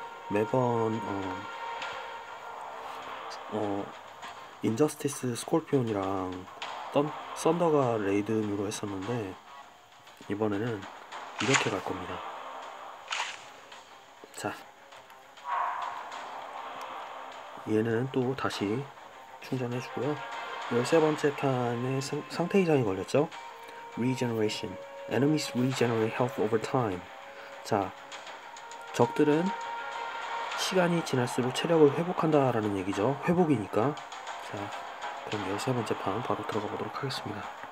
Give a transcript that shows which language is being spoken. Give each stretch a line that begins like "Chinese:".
Korean: 매번 인저스티스 스콜피온이랑 썬더가 레이든으로 했었는데 이번에는 이렇게 갈 겁니다. 자, 얘는 또 다시 충전해주고요. 13번째 칸에 상태 이상이 걸렸죠?
English: Regeneration. Enemies regenerate health over time.
Korean: 자, 적들은 시간이 지날수록 체력을 회복한다라는 얘기죠. 회복이니까. 자, 그럼 13번째 판 바로 들어가 보도록 하겠습니다.